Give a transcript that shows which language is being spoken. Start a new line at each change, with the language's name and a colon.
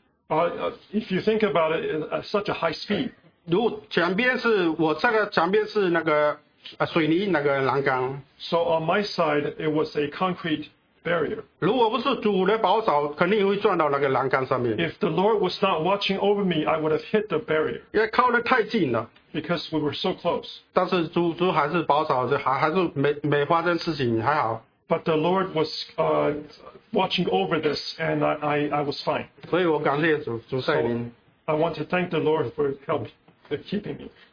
English: if you think about it, at such a high speed.
Chinese: 如果前边是,我这个前边是那个水泥那个栏杆。
English: So on my side, it was a concrete barrier.
Chinese: 如果不是主的保守,肯定会撞到那个栏杆上面。
English: If the Lord was not watching over me, I would have hit the barrier.
Chinese: 因为靠得太近了。
English: Because we were so close.
Chinese: 但是主还是保守,还是没发生事情,还好。
English: But the Lord was watching over this, and I was fine.
Chinese: 所以我感谢主,主赛灵。
English: So I want to thank the Lord for keeping me.